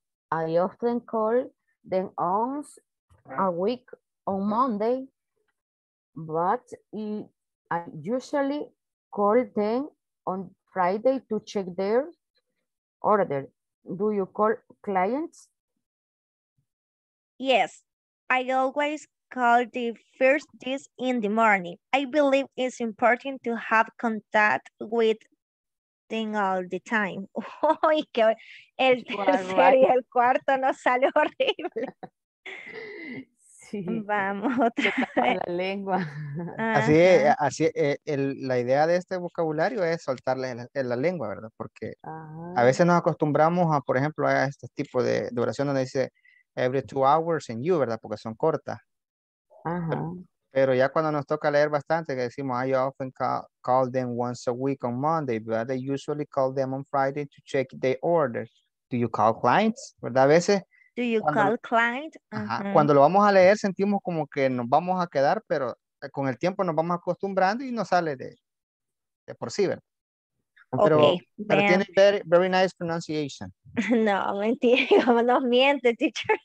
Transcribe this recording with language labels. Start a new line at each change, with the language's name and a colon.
English: I often call them once a week on Monday, but I usually call them on Friday to check their order. Do you call clients? Yes, I always call the first this in the morning. I believe it's important to have contact with them all the time.
Spanish: Uy, que el tercer y el cuarto no sale horrible. Sí. Vamos otra vez. La lengua. Así es, así es, la idea de este vocabulario es soltarle la lengua, ¿verdad? Porque a veces nos acostumbramos a, por ejemplo, a este tipo de oración donde dice
English: every 2 hours and you,
Spanish: ¿verdad? Porque son cortas. Ajá. Pero ya cuando nos toca leer bastante, que decimos,
English: I often call them once a week on Monday, but they usually call them on Friday to check their orders. Do you call clients?
Spanish: ¿Verdad? A veces.
English: Do you call clients? Uh-huh.
Spanish: Cuando lo vamos a leer, sentimos como que nos vamos a quedar, pero con el tiempo nos vamos acostumbrando y nos sale de por sí, ¿verdad? Pero, okay, pero tiene
English: very, very nice pronunciation.
Spanish: No, mentira, no miente, teacher.